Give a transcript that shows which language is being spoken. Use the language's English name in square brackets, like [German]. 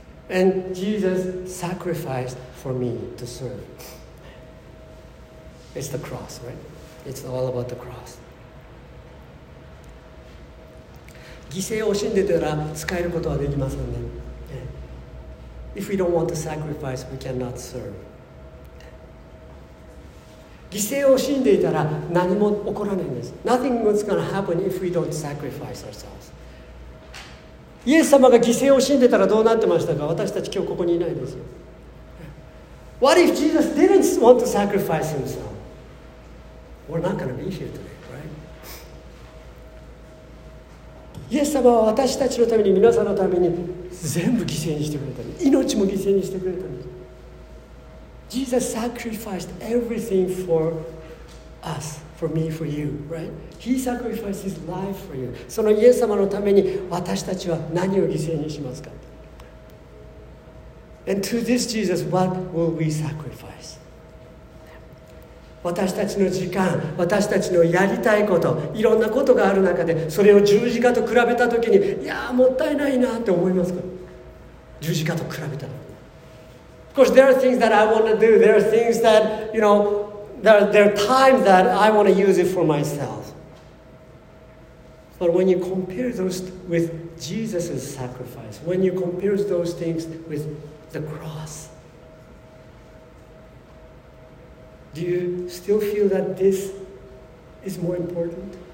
[English] And Jesus sacrificed for me to serve. It's the cross, right? It's all about the cross. [Japanese] 犠牲を惜しんでたら使えることはできませんね。 [English] If we don't want to sacrifice, we cannot serve. [Japanese] 犠牲を惜しんでいたら何も起こらないんです。 [English] Nothing is going to happen if we don't sacrifice ourselves. [Japanese] イエス様が犠牲を惜しんでたらどうなってましたか?私たち今日ここにいないですよ。 [English] What if Jesus didn't want to sacrifice himself? We're not going to be here today, right? [Japanese] イエス様は私たちのために、皆さんのために全部犠牲にしてくれたんです。命も犠牲にしてくれたんです。 [English] Jesus sacrificed everything for us, for me, for you, right? He sacrificed his life for you. [Japanese] そのイエス様のために私たちは何を犠牲にしますか? [English] And to this Jesus, what will we sacrifice? [Japanese] 私たちの時間、私たちのやりたいこと、いろんなことがある中で、それを十字架と比べたときに、いやーもったいないなって思いますか? 十字架と比べたら。 [English] Of course, there are things that I want to do. There are things that, you know, there are times that I want to use it for myself. But when you compare those with Jesus' sacrifice, when you compare those things with the cross,Do you still feel that this is more important?